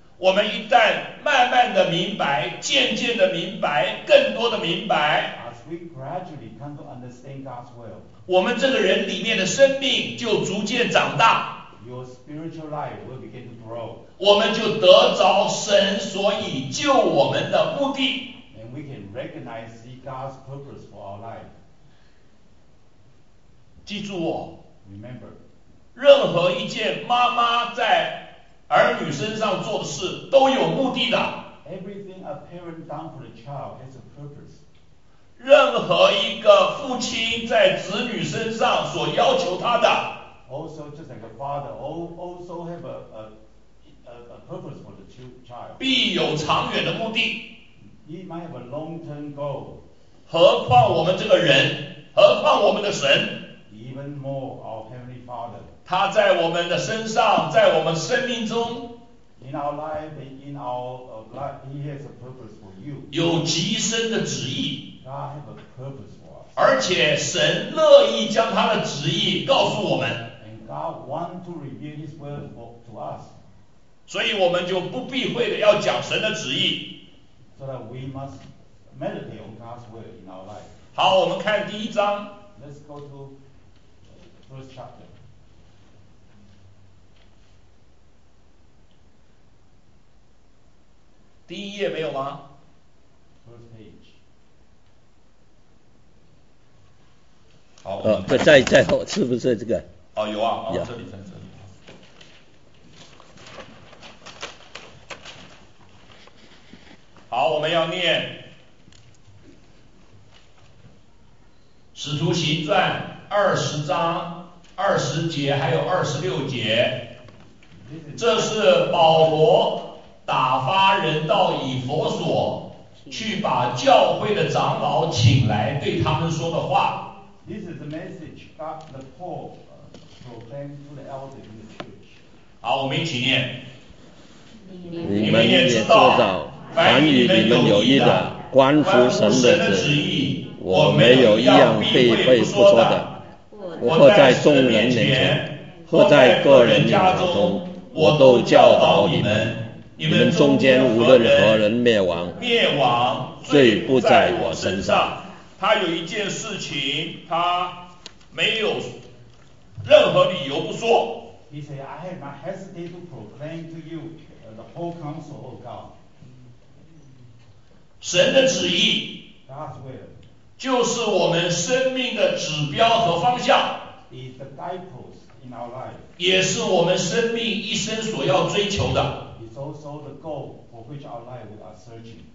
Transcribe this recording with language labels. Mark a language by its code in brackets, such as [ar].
[zh] 我们一旦慢慢的明白、渐渐的明白、更多的明白。 [en] As we gradually come to understand God's will. [zh] 我们这个人里面的生命就逐渐长大。 [en] Your spiritual life will begin to grow. [zh] 我们就得着神所以救我们的目的。 [en] And we can recognize God's purpose for our life. [zh] 记住我。 [en] Remember. [zh] 任何一件妈妈在儿女身上做的事都有目的的。 [en] Everything a parent done for the child has a purpose. [zh] 任何一个父亲在子女身上所要求他的。 [en] Also, just like a father, also have a purpose for the child. [zh] 必有长远的目的。 [en] He might have a long-term goal. [zh] 何况我们这个人，何况我们的神。 [en] Even more, our heavenly father. [zh] 他在我们的身上，在我们生命中 [en] ，in our life and in our life, he has a purpose for you. [zh] 有极深的旨意。 [en] God have a purpose for us. [zh] 而且神乐意将他的旨意告诉我们。 [en] And God want to reveal his will to us. [zh] 所以我们就不避讳的要讲神的旨意。 [en] So that we must meditate on God's will in our life. [zh] 好，我们看第一章。 [en] Let's go to first chapter. [zh] 第一页没有吗 [en] ？First page。 [zh] 好。不在后是不是这个？哦，有啊，哦、yeah. 这里。好，我们要念《使徒行传》20章20节，还有26节。这是保罗。打发人到以弗所去把教会的长老请来对他们说的话。 [en] This is the message that the Paul proclaimed to the elders in the church. [zh] 好，我们一起念。你们也知道，凡与你们有益的，关乎神的旨意，我没有一样避讳不说的。或在众人面前，或在个人家中，我都教导你们。你们中间无论何人灭亡罪不在我身上。他有一件事情他没有任何理由不说。 [en] He said, I have not hesitated to proclaim to you the whole counsel of God. [zh] 神的旨意 [en] God's will [zh] 就是我们生命的指标和方向。 [en] Is the guidepost in our life. [zh] 也是我们生命一生所要追求的。 [en] So the goal for which our life are searching.